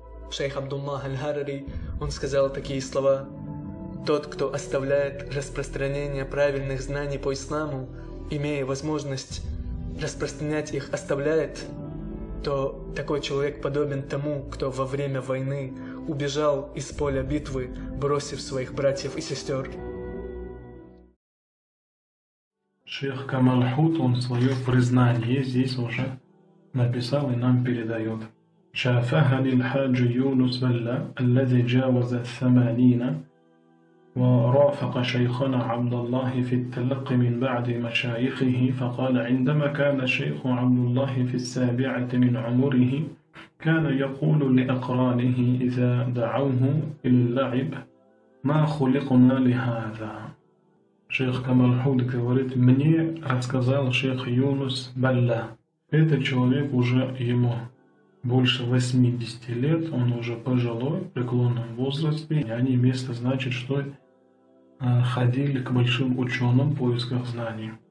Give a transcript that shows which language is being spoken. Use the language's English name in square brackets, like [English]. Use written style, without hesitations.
[Russian] Шейх Абдуллах Аль-Харари, он сказал такие слова: «Тот, кто оставляет распространение правильных знаний по исламу, имея возможность распространять их, оставляет, то такой человек подобен тому, кто во время войны убежал из поля битвы, бросив своих братьев и сестер». Шейх Камаль-Хут, он свое признание здесь уже написал и нам передает. [Arabic] شافها للحاج يونس ملا الذي جاوز 80 ورافق شيخنا عبد الله في التلقي من بعد مشايخه فقال عندما كان شيخ عبد الله في 70 كان يقول لأقرانه إذا دعوه إلى اللعب ما خلقنا لهذا. [Russian] شيخ كمال حود говорит мне рассказал شيخ يونس ملا этот человек уже ему больше 80 лет, он уже пожилой, в преклонном возрасте, и они вместо, значит, что ходили к большим ученым в поисках знаний.